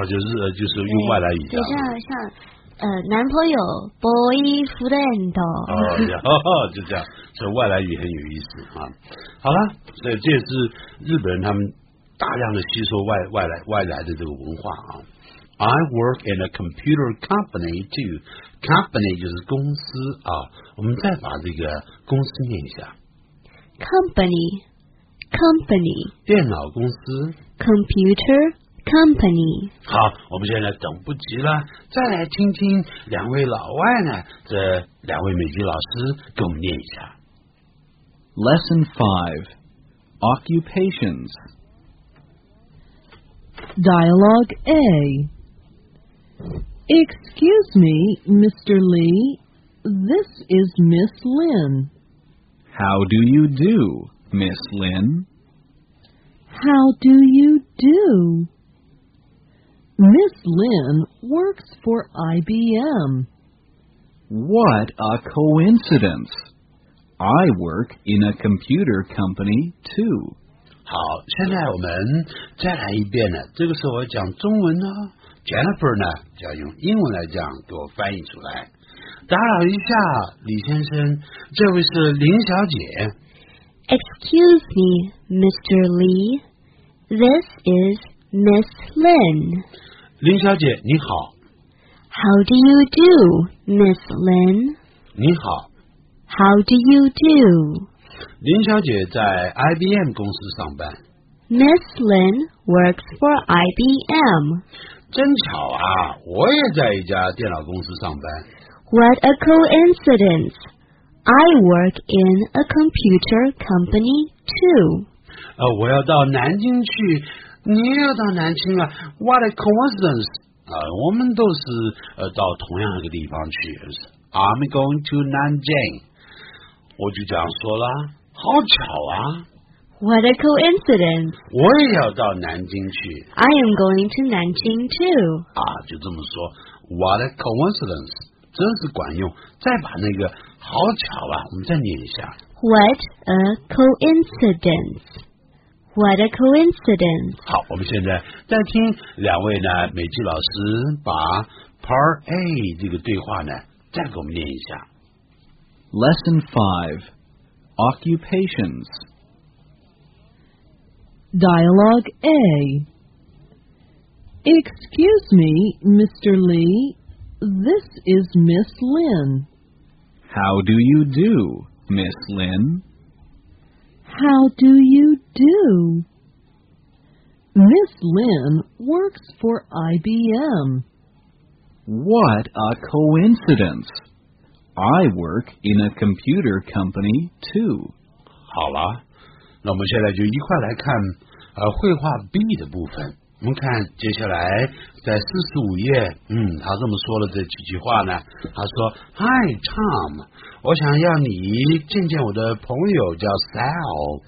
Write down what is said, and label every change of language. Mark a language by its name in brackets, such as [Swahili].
[Chinese] 哦，就是用外来语。对，像男朋友 boyfriend。哦，就这样，所以外来语很有意思啊。好了，所以这也是日本人他们大量的吸收外来的这个文化啊。 [English] I work in a computer company too. [Chinese] Company 就是公司啊。我们再把这个公司念一下。 [English] Company。 Company [Chinese] 电脑公司 [English] Computer Company [Chinese] 好，我们现在等不及了，再来听听两位老外呢，这两位美籍老师给我们念一下。 [English] Lesson 5 Occupations Dialogue A Excuse me, Mr. Lee. This is Miss Lin. How do you do, Miss Lin? How do you do? Miss Lin works for IBM. What a coincidence. I work in a computer company, too. [Chinese] 好，现在我们再来一遍呢。这个时候我讲中文呢， Jennifer 呢，就要用英文来讲，给我翻译出来。打扰一下，李先生，这位是林小姐。 [English] Excuse me, Mr. Lee. This is Miss Lin. [Chinese] 林小姐，你好。 [English] How do you do, Miss Lin? [Chinese] 你好。 [English] How do you do? [Chinese] 林小姐在 IBM 公司上班。 [English] Miss Lin works for IBM. [Chinese] 真巧啊，我也在一家电脑公司上班。 [English] What a coincidence. I work in a computer company too. [Chinese] 我要到南京去，你也要到南京啊 ？ [English] What a coincidence！ [Chinese] 我们都是到同样一个地方去。 [English] I'm going to [Chinese] 南京，我就这样说了，好巧啊 [English] ！What a coincidence！ [Chinese] 我也要到南京去。 [English] I am going to 南京 too。 [Chinese] 啊，就这么说 ， [English] What a coincidence！ [Chinese] 真是管用。再把那个好巧啊，我们再念一下。 [English] What a coincidence！ What a coincidence. [Chinese] 好，我们现在再听两位呢美籍老师把 Part A 这个对话呢再给我们念一下。 [English] Lesson 5 Occupations Dialogue A Excuse me, Mr. Lee. This is Miss Lin. How do you do, Miss Lin? How do you do? Miss Lin works for IBM. What a coincidence. I work in a computer company, too. [Chinese] 好了，那我们现在就一块来看绘画 B 的部分。我们看接下来在45页，他这么说了这几句话呢。他说 ， [English] Hi Tom， [Chinese] 我想要你见见我的朋友叫 Sal。